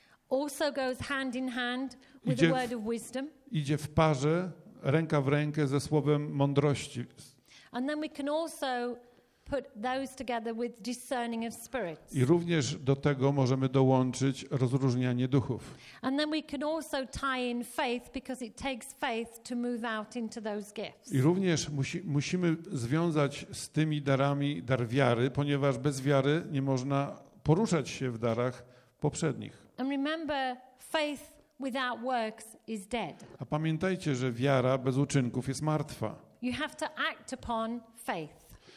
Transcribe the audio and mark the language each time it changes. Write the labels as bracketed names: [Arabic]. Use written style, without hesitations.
[English] also goes hand in hand with the word of wisdom, [Polish] idzie w parze, ręka w rękę ze słowem mądrości. [English] And then we can also put those together with discerning of spirits. [Polish] I również do tego możemy dołączyć rozróżnianie duchów. [English] And then we can also tie in faith because it takes faith to move out into those gifts. [Polish] I również musimy związać z tymi darami dar wiary, ponieważ bez wiary nie można poruszać się w darach poprzednich. [English] And remember, faith without works is dead. [Polish] A pamiętajcie, że wiara bez uczynków jest martwa. [English] You have to act upon faith.